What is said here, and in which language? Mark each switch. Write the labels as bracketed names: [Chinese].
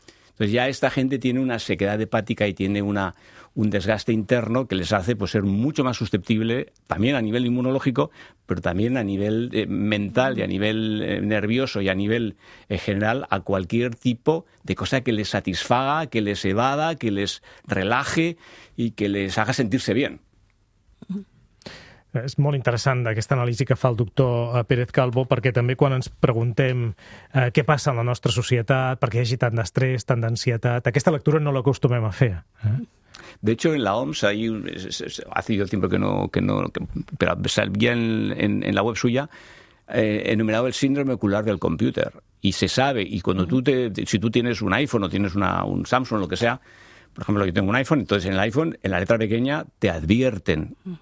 [Spanish] Entonces ya esta gente tiene una sequedad hepática y tiene un desgaste interno que les hace pues ser mucho más susceptible también a nivel inmunológico, pero también a nivel mental y a nivel nervioso y a nivel general a cualquier tipo de cosa que les satisfaga, que les evada, que les relaje y que les haga sentirse bien. [Catalan] És molt interessant aquesta anàlisi que fa el doctor Pérez Calvo, perquè també quan ens preguntem què passa en la nostra societat, perquè hi hagi tant d'estrès, tant d'ansietat, aquesta lectura no l'acostumem a fer. [Spanish] De hecho, en la OMS, hace yo tiempo pero sabía en la web suya, enumerado el síndrome ocular del computer, y se sabe, y cuando si tú tienes un iPhone o tienes un Samsung o lo que sea, por ejemplo, yo tengo un iPhone, entonces en el iPhone, en la letra pequeña, te advierten.